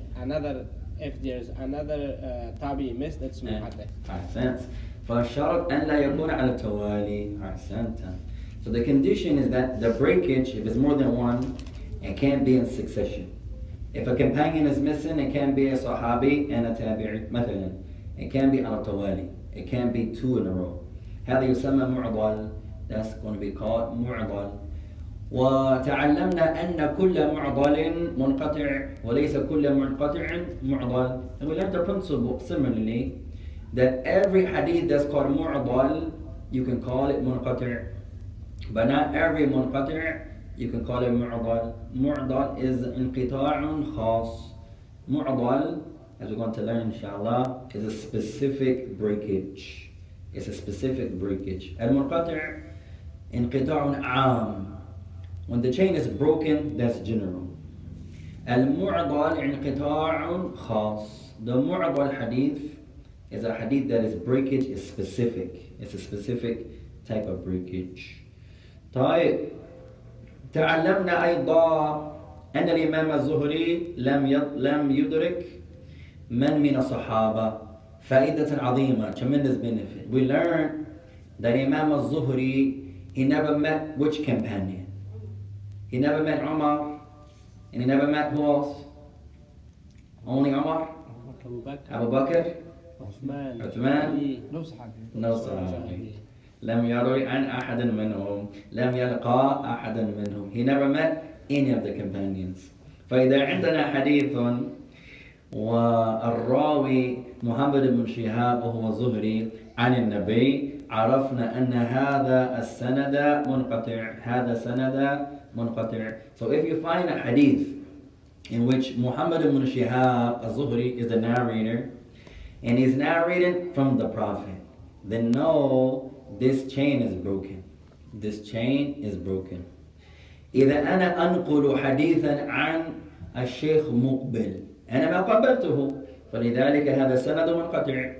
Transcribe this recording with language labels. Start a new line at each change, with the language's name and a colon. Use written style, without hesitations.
English: If there is another tabi missed, that's muhaddith.
Arabic: Ahsant. فشرط أن لا يكون على التوالي. Ahsant.
English: So the condition is that the breakage, if it's more than one, it can't be in succession. If a companion is missing, it can't be a sahabi and a tabi'i. مثلا, it can't be
Arabic: على التوالي.
English: It can't be two in a row.
Arabic: هذا يسمى معضل.
English: That's going to be called معضل.
Arabic: وتعلمنا أن كل معضل منقطع وليس كل منقطع معضل.
English: And we learned the principle similarly that every hadith that's called معضل you can call it منقطع. But not every منقطع you can call it معضل. معضل is
Arabic: انقطاع خاص.
English: معضل, as we're going to learn inshallah, is a specific breakage. It's a specific breakage.
Arabic: المنقطع انقطاع عام.
English: When the chain is broken, that's general.
Arabic: المعضل انقطاع خاص.
English: The mu'arad hadith is a hadith that is breakage is specific. It's a specific type of breakage.
Arabic: طيب تعلمنا أيضا أن الإمام الزهري لم يدرك من الصحابة فائدة عظيمة
English: tremendous benefit. We learned that Imam al-Zuhri, he never met which companion? He never met Umar, and he never met who else? Only Umar? Abu Bakr? Uthman? No Sahabi.
Arabic: لم يروي عن أحد منهم. لم يلقى أحد منهم.
English: He never met any of the companions.
Arabic: فإذا عندنا حديث والراوي محمد بن شهاب وهو الزهري عن النبي عرفنا أن هذا السند منقطع هذا سند منقطع.
English: So if you find a hadith in which Muhammad ibn Shihab al-Zuhri is the narrator and he's narrated from the Prophet, then know this chain is broken. This chain is broken.
Arabic: إذا أنا أنقل حديثا عن الشيخ مقبل أنا ما قبلته فلذلك هذا سند منقطع.